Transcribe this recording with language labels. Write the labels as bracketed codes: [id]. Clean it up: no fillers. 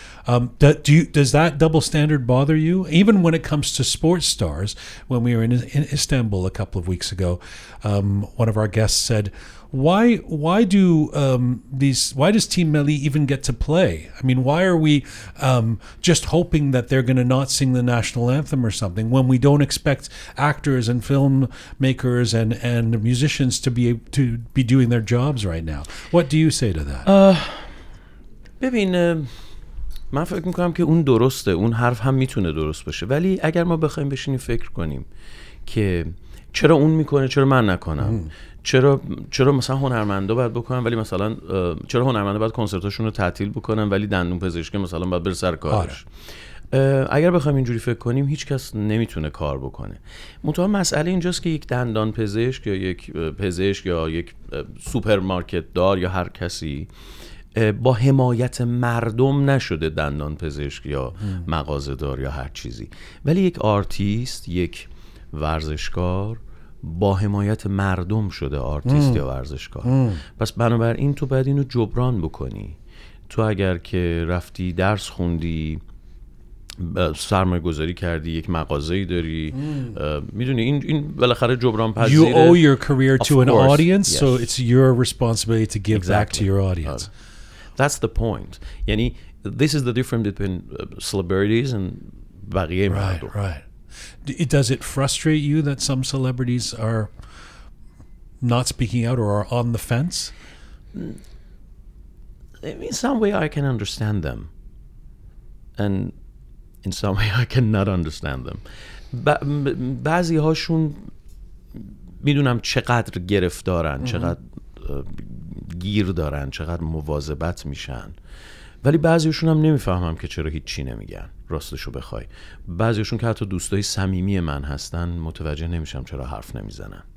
[en] Does that double standard bother you? Even when it comes to sports stars, when we were in Istanbul a couple of weeks ago, one of our guests said, why does Team Melli even get to play? I mean, why are we just hoping that they're going to not sing the national anthem or something when we don't expect actors and filmmakers and musicians to be doing their jobs right now? What do you say to that? [fa] من فکر میکنم که اون درسته اون حرف هم میتونه درست باشه ولی اگر ما بخوایم بشینیم فکر کنیم که چرا اون میکنه چرا من نکنم چرا مثلا هنرمندا باید بکنن ولی مثلا چرا هنرمندا باید کنسرتاشون رو تعطیل بکنن ولی دندون پزشکی مثلا باید بره سر کارش اگر بخوایم اینجوری فکر کنیم هیچ کس نمیتونه کار بکنه. منتها مسئله اینجاست که یک دندان پزشک یا یک پزشک یا یک سوپرمارکت دار یا هر کسی با حمایت مردم نشده دندان پزشک یا مغازه دار یا هر چیزی، ولی یک آرتیست، یک ورزشکار با حمایت مردم شده آرتیست یا ورزشکار. پس بنابراین تو باید اینو جبران بکنی. تو اگر که رفتی درس خوندی، سرمایه گذاری کردی، یک مغازه‌ای داری، میدونی این بالاخره جبران پذیره. [en] You owe your career to an audience, so it's your responsibility to give back to your audience. That's the point. یعنی this is the difference between celebrities and [fa] بقیه مردم. [en] Right. Does it frustrate you that some celebrities are not speaking out or are on the fence? In some way, I can understand them. And in some way, I cannot understand them. [fa] بعضی هاشون میدونم چقدر گرفتارن، چقدر گیر دارن، چقدر مواظبت میشن. ولی بعضیشون هم نمیفهمم که چرا هیچی نمیگن. راستشو بخوای بعضیشون که حتی دوستای صمیمی من هستن متوجه نمیشم چرا حرف نمیزنن.